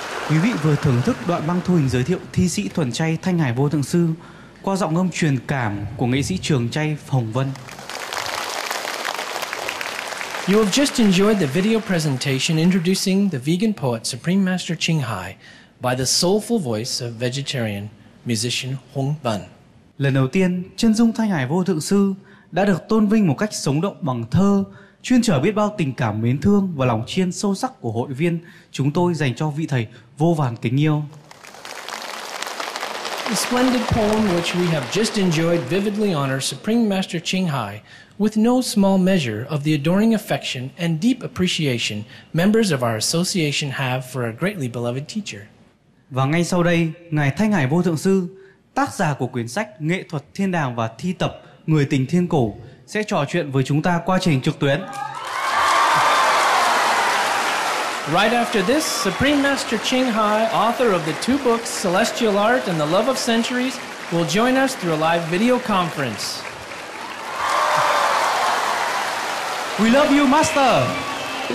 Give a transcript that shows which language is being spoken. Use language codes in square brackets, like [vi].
[vi] Quý vị vừa thưởng thức đoạn băng thu hình giới thiệu thi sĩ thuần chay Thanh Hải Vô Thượng Sư qua giọng ngâm truyền cảm của nghệ sĩ trường chay Hồng Vân. [en] You have just enjoyed the video presentation introducing the vegan poet Supreme Master Ching Hai by the soulful voice of vegetarian musician Hồng Vân. [vi] Lần đầu tiên, chân dung Thanh Hải Vô Thượng Sư đã được tôn vinh một cách sống động bằng thơ, chuyên chở biết bao tình cảm mến thương và lòng tri ân sâu sắc của hội viên chúng tôi dành cho vị thầy vô vàn kính yêu. [en] The splendid poem which we have just enjoyed vividly honors Supreme Master Ching Hai with no small measure of the adoring affection and deep appreciation members of our association have for a greatly beloved teacher. [vi] Và ngay sau đây, ngài Thanh Hải Vô Thượng Sư, tác giả của quyển sách Nghệ thuật Thiên Đàng và Thi Tập Người Tình Thiên Cổ, sẽ trò chuyện với chúng ta qua trình trực tuyến. [en] Right after this, Supreme Master Ching Hai, author of the two books Celestial Art and The Love of Centuries, will join us through a live video conference. We love you, Master.